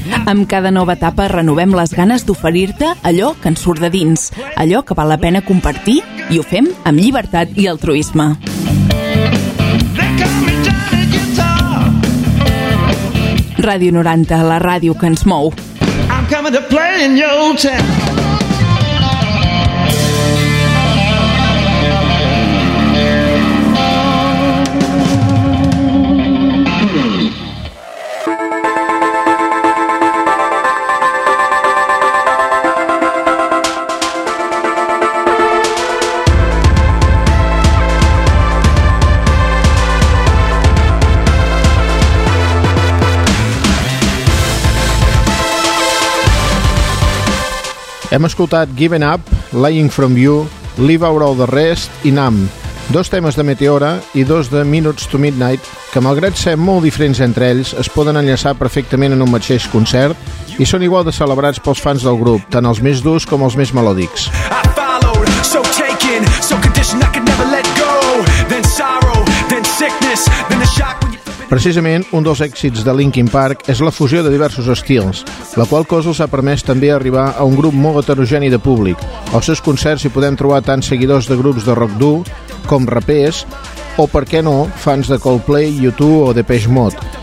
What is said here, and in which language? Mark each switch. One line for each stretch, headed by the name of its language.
Catalan: Amb cada nova etapa renovem les ganes d'oferir-te allò que ens surt de dins, allò que val la pena compartir, i ho fem amb llibertat i altruisme. Ràdio 90, la ràdio que ens mou.
English: Coming to play in your town.
Catalan: Hem escoltat Given Up, Lying From You, Leave Out All The Rest i Nam, dos temes de Meteora i dos de Minutes To Midnight que, malgrat ser molt diferents entre ells, es poden enllaçar perfectament en un mateix concert i són igual de celebrats pels fans del grup, tant els més durs com els més melòdics.
English: So taken, so conditioned, I could never let go. Then sorrow, then sickness, then the shock.
Catalan: Precisament, un dels èxits de Linkin Park és la fusió de diversos estils, la qual cosa els ha permès també arribar a un grup molt heterogeni de públic. Als seus concerts hi podem trobar tant seguidors de grups de rock dur com rapers, o, per què no, fans de Coldplay, U2 o Depeche Mode.